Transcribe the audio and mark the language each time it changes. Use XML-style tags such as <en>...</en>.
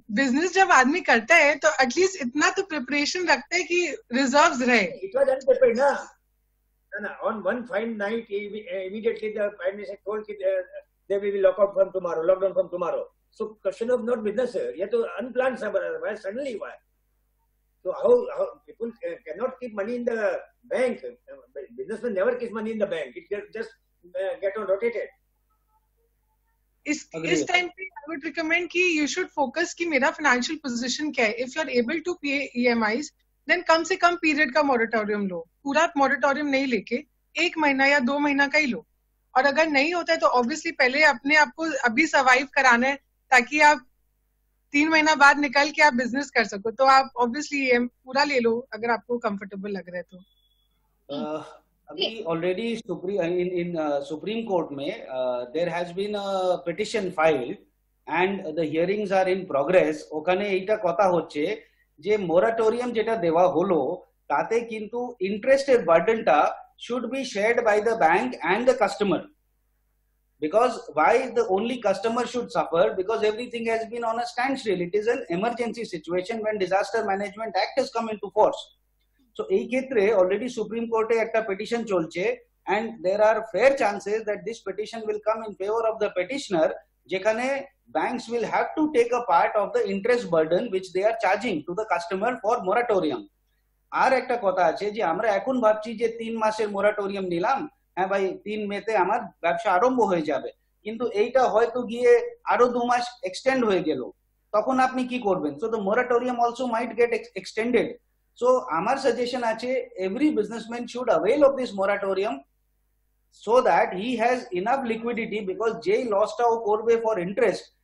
<hi>Business जब आदमी करता है तो एटलीस्ट इतना तो प्रिपरेशन रखते है कि रिजर्व्स रहे।</hi> <en>It was unprepared ना, on one fine night immediately the prime minister told कि they will be lockout from tomorrow, lockdown from tomorrow. So question of not business,</en> <hi>ये तो unplanned सा बना रहा है, suddenly हुआ है।</hi> <en>So how people cannot keep money in the bank, businessman never keeps money in the bank, it just get on rotated.</en> <hi>इस</hi> <en>time पे I would recommend कि you should focus</en> <hi>कि मेरा</hi> <en>financial position</en> <hi>क्या है।</hi> <en>If you are able to pay EMIs, then</en> <hi>कम से कम period का moratorium लो, पूरा moratorium नहीं लेके 1 महीना या 2 महीना का ही लो। और अगर नहीं होता है तो obviously पहले अपने आपको अभी survive कराना है ताकि आप 3 महीना बाद निकल के आप बिजनेस कर सको, तो आप ऑब्वियसली ये पूरा ले लो अगर आपको कंफर्टेबल लग रहा है तो। अभी</hi> <en>Already supreme court में there has been a petition file and the hearings are in progress.</en> <bn>ওখানে এইটা কথা হচ্ছে যে মোরাটোরিয়াম যেটা দেওয়া হলো তাতে কিন্তু ইন্টারেস্টের বার্ডেনটা</bn> <en>Should be shared by the bank and the customer. Because why the only customer should suffer? Because everything has been on a standstill. It is an emergency situation when Disaster Management Act has come into force. So,</en> <bn>ei khetre</bn> <en>already Supreme Court</en> <bn>e ekta petition cholche,</bn> <en>and there are fair chances that this petition will come in favor of the petitioner,</en> <bn>jekhane</bn> <en>banks will have to take a part of the interest burden which they are charging to the customer for moratorium.</en> <bn>Aar ekta kotha ache je amra ekhon bhabchi je 3 maser moratorium nilam. হ্যাঁ ভাই, 3 মেতে আমার ব্যবসা আরম্ভ হয়ে যাবে, কিন্তু এইটা হয়তো গিয়ে আরো 2 মাস এক্সটেন্ড হয়ে গেল, তখন আপনি কি করবেন?</bn> <en>So the moratorium also might get extended. So</en> <bn>আমার সাজেশন আছে,</bn> <en>every businessman should avail of this moratorium so that he has enough liquidity, because</en> <bn>যেই লসটা ও করবে</bn> <en>for interest</en>